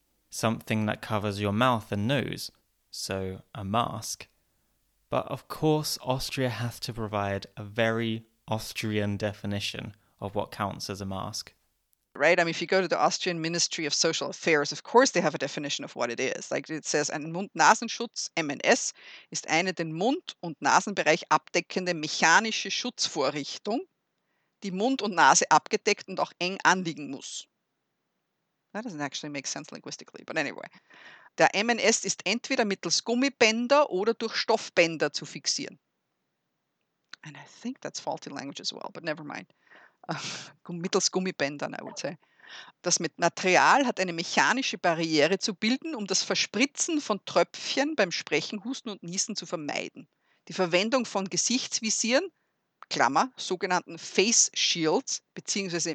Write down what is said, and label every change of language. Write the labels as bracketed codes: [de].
[en] something that covers your mouth and nose, so a mask. But of course, Austria has to provide a very Austrian definition of what counts as a mask. Right, I mean, if you go to the Austrian Ministry of Social Affairs, of course they have a definition of what it is. Like it says, [de] ein Mund-Nasen-Schutz, MNS, ist eine den Mund- und Nasenbereich abdeckende mechanische Schutzvorrichtung, die Mund und Nase abgedeckt und auch eng anliegen muss. [en] That doesn't actually make sense linguistically, but anyway. [de] Der MNS ist entweder mittels Gummibänder oder durch Stoffbänder zu fixieren. [en] And I think that's faulty language as well, but never mind. [de] Mittels Gummibändern, [en] I would say. [de] Das mit Material hat eine mechanische Barriere zu bilden, um das Verspritzen von Tröpfchen beim Sprechen, Husten und Niesen zu vermeiden. Die Verwendung von Gesichtsvisieren, Klammer, sogenannten Face Shields bzw.